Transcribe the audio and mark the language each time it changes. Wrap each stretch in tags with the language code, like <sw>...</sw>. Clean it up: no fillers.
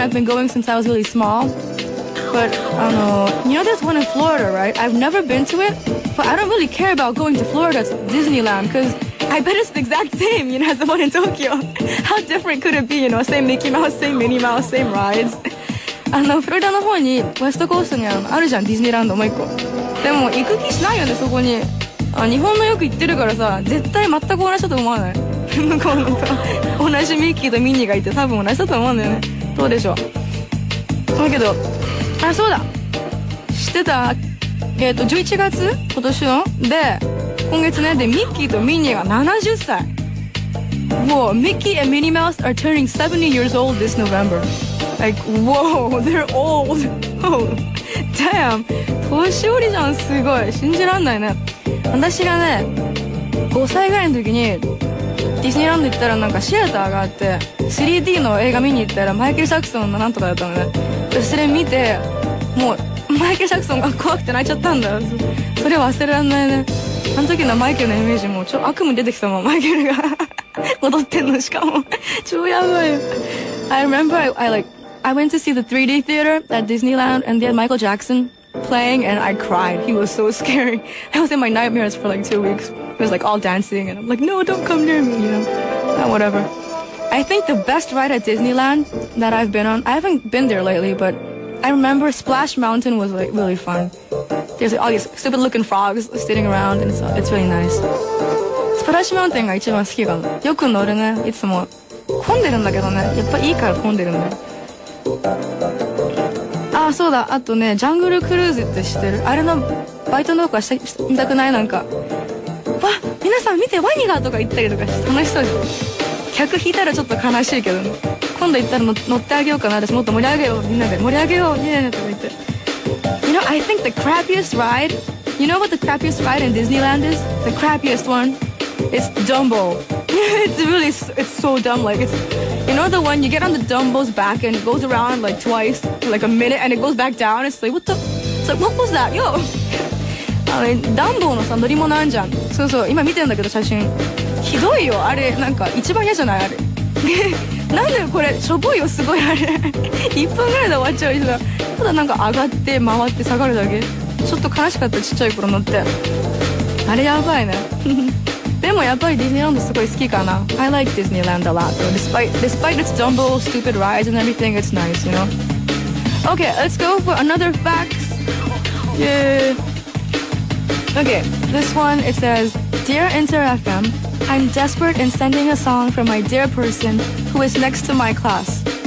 <en>I've been going since I was really small. But, you know there's one in Florida, right? I've never been to it, but I don't really care about going to Florida's Disneyland, because I bet it's the exact same, you know, as the one in Tokyo. How different could it be, you know, same Mickey Mouse, same Minnie Mouse, same rides?</en> <ja>フロリダの方に、ウェストコーストにあるじゃん、ディズニーランド、もう一個。でも、行く気しないよね、そこに。日本のよく行ってるからさ、絶対全く同じだと思わない。向こうのと、同じミッキーとミニーがいて、多分同じだと思うんだよね。どうでしょう。だけど、あ、そうだ。知ってた。 11月今年の。で、今月ね。で、ミッキーとミニーが70歳。</ja> <en>Whoa, Mickey and Minnie Mouse are turning 70 years old this November. Like, whoa, they're old. Damn.</en> <ja>年寄りじゃん、すごい。信じらんないね。私がね、5歳ぐらいの時に、ディズニーランド行ったらなんかシアターがあって、3D の映画見に行ったら、マイケル・サクソンのなんとかだったのね。それ見て、もう、マイケル・ジャクソンが怖くて泣いちゃったんだよ。それ忘れられないね。あの時のマイケルのイメージも、ちょ、悪夢出てきたもん、マイケルが。戻ってんの、しかも。超やばい。</ja> <en>I remember, I went to see the 3D theater at Disneyland, and they had Michael Jackson playing, and I cried. He was so scary. I was in my nightmares for like 2 weeks. It was like all dancing, and I'm like, no, don't come near me, you know. And whatever. I think the best ride at Disneyland that I've been on, I haven't been there lately, but I remember Splash Mountain was like really fun. There's all these stupid looking frogs sitting around and it's really nice.</en> <ja>Splash Mountain が一番好きかも。よく乗るね、いつも。混んでるんだけどね。やっぱいいから混んでるね。あ、そうだ。あとね、ジャングルクルーズって知ってる。あれのバイトの子はしたくないなんか。わ、皆さん見てワニがとか言ったりとかして楽しそうです。客引いたらちょっと悲しいけど、ね、今度行ったら乗ってあげようかな、私もっと盛り上げよう、みんなで盛り上げよう、ねえねえとか言って。</ja> <en>You know, I think the crappiest ride, you know what the crappiest ride in Disneyland is? The crappiest one? It's Dumbo. it's so dumb, like it's, you know the one you get on the Dumbo's back and it goes around like twice, like a minute and it goes back down, it's like, what the, it's like, what was that? Yo!</en> <ja>あれ、Dumbo のさ、乗り物あんじゃん。そうそう、今見てんだけど写真。ひどいよ、あれ、なんか、一番嫌じゃない、あれ。なんでこれ、しょぼいよ、すごい、あれ。一分ぐらいで終わっちゃうよ、さ。ただなんか、上がって、回って、下がるだけ。ちょっと悲しかった、ちっちゃい頃乗って。あれ、やばいね。で、でもやっぱりディズニーランドすごい好きかな。</ja> <en>I like Disneyland a lot though. Despite its jumbo stupid rides and everything, it's nice, you know. Okay, let's go for another fact. Yeah. Okay, this one, it says, Dear Inter FM, I'm desperate in sending a song from my dear person who is next to my class.</en>